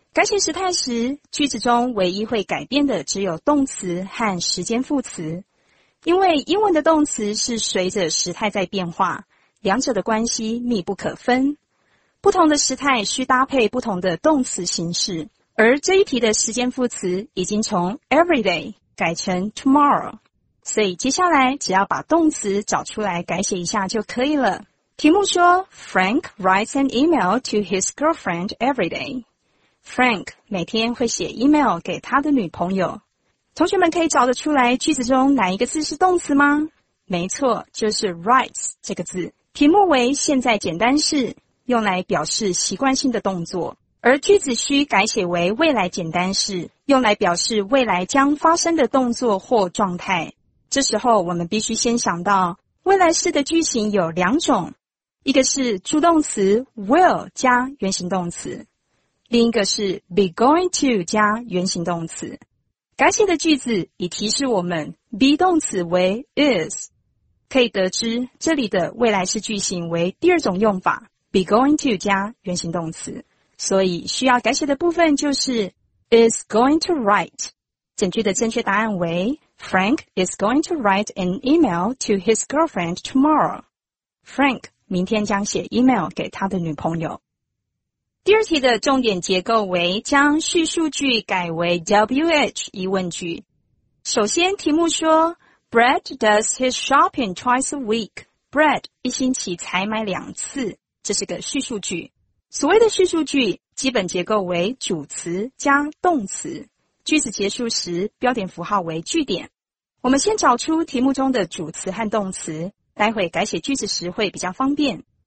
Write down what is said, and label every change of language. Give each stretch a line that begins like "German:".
Chinese: 改写时态时，句子中唯一会改变的只有动词和时间副词，因为英文的动词是随着时态在变化，两者的关系密不可分。不同的时态需搭配不同的动词形式，而这一题的时间副词已经从 everyday 改成 tomorrow， 所以接下来只要把动词找出来改写一下就可以了。题目说
English: Frank writes an email to his girlfriend every day。
Chinese: Frank 每天会写 email 给他的女朋友。同学们可以找得出来句子中哪一个字是动词吗？没错，就是 writes 这个字。题目为现在简单式，用来表示习惯性的动作。而句子需改写为未来简单式，用来表示未来将发生的动作或状态。这时候我们必须先想到，未来式的句型有两种，一个是助动词 will 加原形动词，另一个是 be going to 加原形动词。改写的句子已提示我们 be 动词为 is， 可以得知这里的未来式句型为第二种用法， be going to 加原形动词，所以需要改写的部分就是
English: is going to write。
Chinese: 整句的正确答案为
English: Frank is going to write an email to his girlfriend tomorrow。
Chinese: Frank 明天将写 email 给他的女朋友。第二题的重点结构为将叙述句改为 WH 疑问句。首先题目说
English: Brad does his shopping twice a week。
Chinese: Brad 一星期才买两次，这是个叙述句。所谓的叙述句基本结构为主词加动词，句子结束时标点符号为句点。我们先找出题目中的主词和动词，待会改写句子时会比较方便。